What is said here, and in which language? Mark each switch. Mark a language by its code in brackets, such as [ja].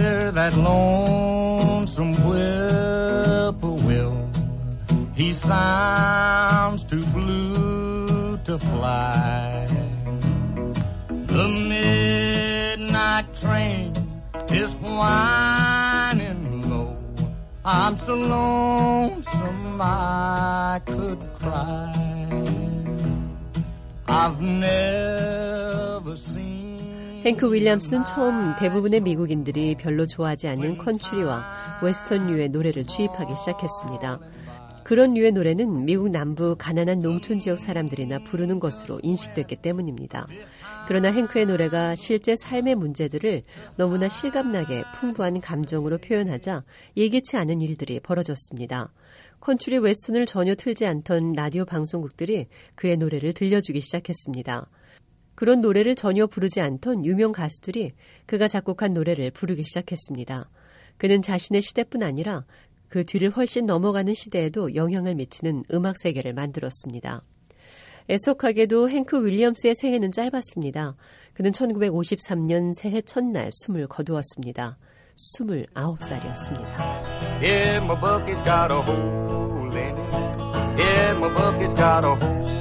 [en] That lonesome whippoorwill, he sounds too blue to fly. The midnight train is whining low. I'm so lonesome I could cry. I've never seen. [ko] 헨크 윌리엄스는 처음 대부분의 미국인들이 별로 좋아하지 않는 컨트리와 웨스턴 류의 노래를 취입하기 시작했습니다. 그런 류의 노래는 미국 남부 가난한 농촌 지역 사람들이나 부르는 것으로 인식됐기 때문입니다. 그러나 헨크의 노래가 실제 삶의 문제들을 너무나 실감나게 풍부한 감정으로 표현하자 예기치 않은 일들이 벌어졌습니다. 컨트리 웨스턴을 전혀 틀지 않던 라디오 방송국들이 그의 노래를 들려주기 시작했습니다. 그런 노래를 전혀 부르지 않던 유명 가수들이 그가 작곡한 노래를 부르기 시작했습니다. 그는 자신의 시대뿐 아니라 그 뒤를 훨씬 넘어가는 시대에도 영향을 미치는 음악 세계를 만들었습니다. 애석하게도 헨크 윌리엄스의 생애는 짧았습니다. 그는 1953년 새해 첫날 숨을 거두었습니다. 29살이었습니다. [en] Yeah, my bucket's got a hole in it. Yeah, my bucket's got a hole.